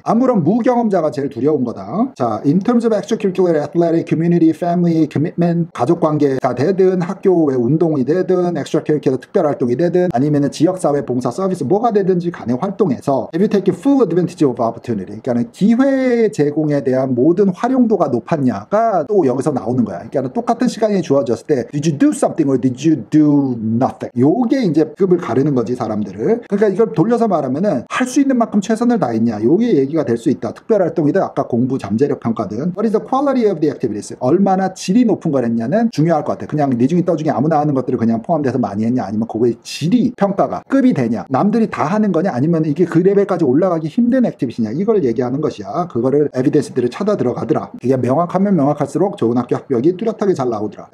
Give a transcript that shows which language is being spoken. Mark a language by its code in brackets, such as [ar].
[ko] 아무런 무경험자가 제일 두려운 거다. 자, [en] in terms of extracurricular athletic community family commitment, [ko] 가족 관계가 되든 학교의 운동이 되든 extracurricular 특별 활동이 되든 아니면은 지역사회 봉사 서비스 뭐가 되든지 간에 활동해서 [en] have you taken full advantage of opportunity? [ko] 그러니까는 기회 제공에 대한 모든 활용도가 높았냐가 또 여기서 나오는 거야. 그러니까는 똑같은 시간이 주어졌을 때 [en] did you do something or did you do nothing? [ko] 요게 이제 급을 가르는 거지, 사람들을. 그러니까 이걸 돌려서 말하면은 할 수 있는 만큼 최선을 다했냐, 요게 얘기가 될 수 있다. 특별활동이든 아까 공부 잠재력 평가든 [en] What is the quality of the activities? [ko] 얼마나 질이 높은 거랬냐는 중요할 것 같아. 그냥 니중에 떠중에 아무나 하는 것들을 그냥 포함돼서 많이 했냐, 아니면 그거의 질이 평가가 급이 되냐, 남들이 다 하는 거냐, 아니면 이게 그 레벨까지 올라가기 힘든 액티비티냐, 이걸 얘기하는 것이야. 그거를 에비던스들을 찾아 들어가더라. 이게 명확하면 명확할수록 좋은 학교 합격이 뚜렷하게 잘 나오더라.